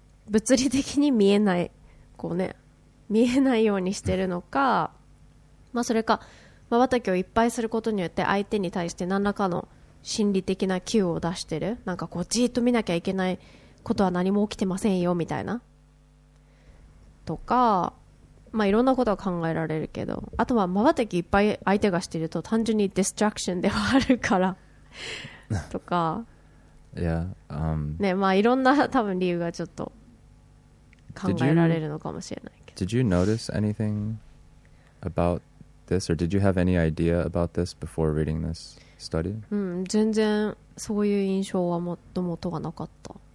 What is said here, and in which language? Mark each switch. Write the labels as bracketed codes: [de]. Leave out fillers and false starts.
[ja] 物理的に見えない、こうね、見えないようにしてるのか、まあそれか瞬きをいっぱいすることによって相手に対して何らかの心理的なキューを出してる、なんかこうじーっと見なきゃいけないことは何も起きてませんよみたいな、とかまあ、いろんなことは考えられるけど、あとは瞬きいっぱい相手がしていると単純にディストラクションではあるからとか、 yeah, ね、まあ、いろんな多分理由がちょっと考えられるのかもしれないけど。 [en] Did you notice anything about this or did you have any idea about this before reading this study? [ja] 全然そういう印象はもともとはなかった。